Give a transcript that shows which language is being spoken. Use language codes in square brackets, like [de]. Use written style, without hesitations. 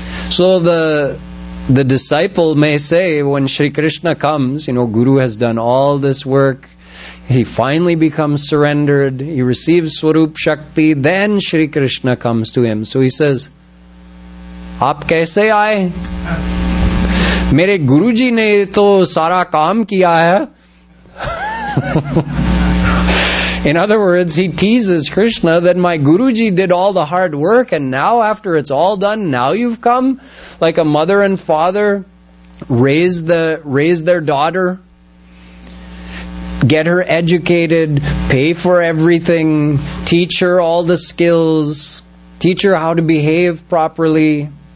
[en] So the disciple may say, when Shri Krishna comes, you know, Guru has done all this work, he finally becomes surrendered, he receives Swarup Shakti, then Shri Krishna comes to him. So he says, [hi] aap kaise aaye? मेरे गुरुजी ने तो सारा काम किया है। [en] In other words, he teases Krishna that my Guruji did all the hard work and now after it's all done, now you've come? Like a mother and father raise their daughter, get her educated, pay for everything, teach her all the skills, teach her how to behave properly.